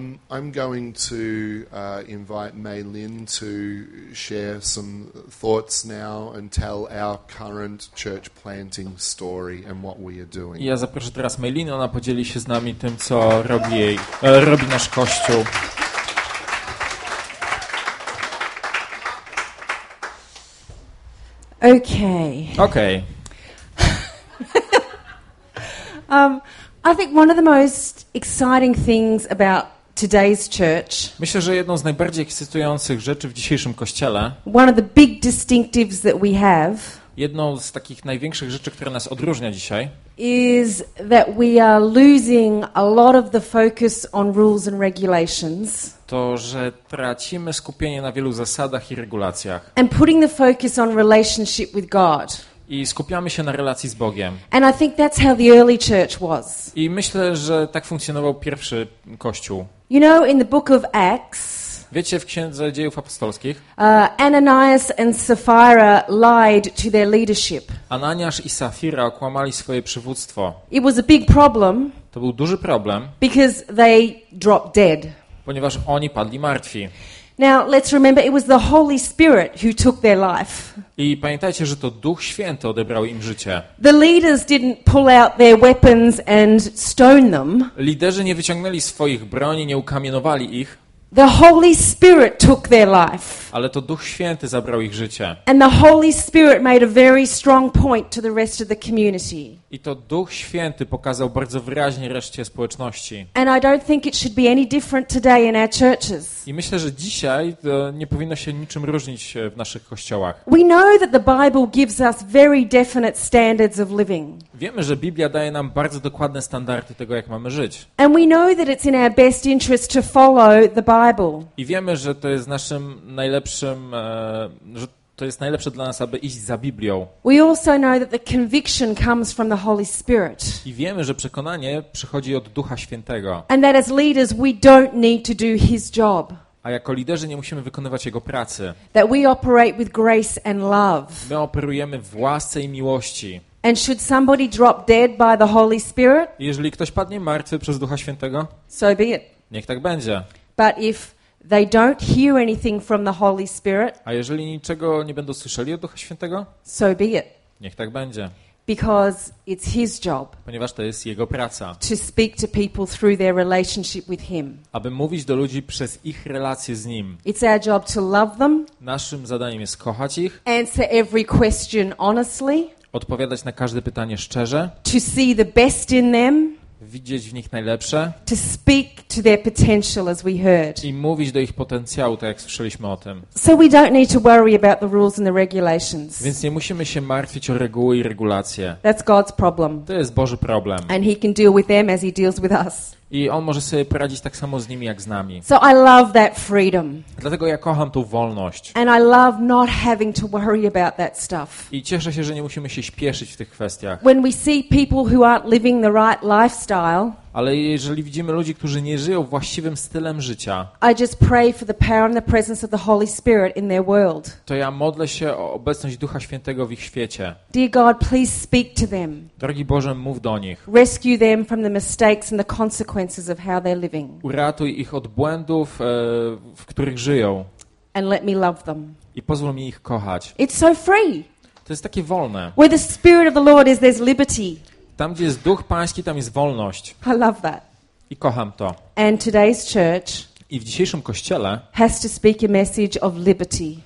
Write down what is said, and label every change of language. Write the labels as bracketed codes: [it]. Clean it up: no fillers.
[en] I'm going to invite Mei Lin to share some thoughts now and tell our current church planting story and what we are doing. [pl] Ja zaproszę teraz Mei Lin, ona podzieli się z nami tym, co robi jej, robi nasz kościół. [en] Okay. I think one of the most exciting things about today's church. [pl] Myślę, że jedną z najbardziej ekscytujących rzeczy w dzisiejszym kościele. [en] One of the big distinctives that we have. [pl] Jedną z takich największych rzeczy, które nas odróżnia dzisiaj. [en] Is that we are losing a lot of the focus on rules and regulations. [pl] To, że tracimy skupienie na wielu zasadach i regulacjach. [en] And putting the focus on relationship with God. [pl] I skupiamy się na relacji z Bogiem. [en] And I think that's how the early church was. [pl] I myślę, że tak funkcjonował pierwszy kościół. [en] You know, in the book of Acts. [pl] Wiecie, w Księdze Dziejów Apostolskich. [en] Ananias and Sapphira lied to their leadership. [pl] Ananiasz i Safira okłamali swoje przywództwo. [en] It was a big problem. [pl] To był duży problem. [en] Because they dropped dead. [pl] Ponieważ oni padli martwi. [en] Now let's remember, it was the Holy Spirit who took their life. [pl] I pamiętajcie, że to Duch Święty odebrał im życie. [en] The leaders didn't pull out their weapons and stone them. [pl] Liderzy nie wyciągnęli swoich broni, nie ukamienowali ich. [en] The Holy Spirit took their life. [pl] Ale to Duch Święty zabrał ich życie. [en] And the Holy Spirit made a very strong point to the rest of the community. [pl] I to Duch Święty pokazał bardzo wyraźnie reszcie społeczności. [en] And I don't think it should be any different today in our churches. [pl] I myślę, że dzisiaj to nie powinno się niczym różnić w naszych kościołach. [en] We know that the Bible gives us very definite standards of living. [pl] Wiemy, że Biblia daje nam bardzo dokładne standardy tego, jak mamy żyć. [en] And we know that it's in our best interest to follow the Bible. [pl] I wiemy, że to jest naszym najlepszym, że to jest najlepsze dla nas, aby iść za Biblią. [en] We also know that the conviction comes from the Holy Spirit. [pl] I wiemy, że przekonanie przychodzi od Ducha Świętego. [en] And that as leaders we don't need to do his job. [pl] A jako liderzy nie musimy wykonywać jego pracy. [en] That we operate with grace and love. [pl] My operujemy w łasce i miłości. [en] And should somebody drop dead by the Holy Spirit? [pl] Jeżeli ktoś padnie martwy przez Ducha Świętego? [en] So be it. [pl] Niech tak będzie. [en] But if they don't hear anything from the Holy Spirit. [pl] A jeżeli niczego nie będą słyszeli od Ducha Świętego? [en] So be it. [pl] Niech tak będzie. [en] Because it's his job. [pl] Ponieważ to jest jego praca. [en] To speak to people through their relationship with him. [pl] Aby mówić do ludzi przez ich relacje z nim. [en] It's our job to love them. [pl] Naszym zadaniem jest kochać ich. [en] Answer every question honestly. [pl] Odpowiadać na każde pytanie szczerze. [en] To see the best in them. [pl] Widzieć w nich najlepsze. [en] To speak to their potential as we heard. [pl] I mówić do ich potencjału, tak jak słyszeliśmy o tym. [en] So we don't need to worry about the rules and the regulations. [pl] Więc nie musimy się martwić o reguły i regulacje. [en] That's God's problem. [pl] To jest Boży problem. [en] And he can deal with them as he deals with us. [pl] I on może sobie poradzić tak samo z nimi jak z nami. [en] So I love that freedom. [pl] Dlatego ja kocham tą wolność. [en] And I love not having to worry about that stuff. [pl] I cieszę się, że nie musimy się śpieszyć w tych kwestiach. [en] When we see people who aren't living the right lifestyle. [pl] Ale jeżeli widzimy ludzi, którzy nie żyją właściwym stylem życia. [en] I just pray for the power and the presence of the Holy Spirit in their world. [pl] To ja modlę się o obecność Ducha Świętego w ich świecie. [en] Dear God, please speak to them. [pl] Drogi Boże, mów do nich. [en] Rescue them from the mistakes and the consequences of how they're living. [pl] Uratuj ich od błędów, w których żyją. [en] And let me love them. [pl] I pozwól mi ich kochać. [en] It's so free. [pl] To jest takie wolne. [en] Where the Spirit of the Lord is, there's liberty. [pl] Tam, gdzie jest Duch Pański, tam jest wolność. [en] I love that. [pl] I kocham to. [en] And today's church. [pl] i w dzisiejszym kościele [en] has to speak a message of liberty.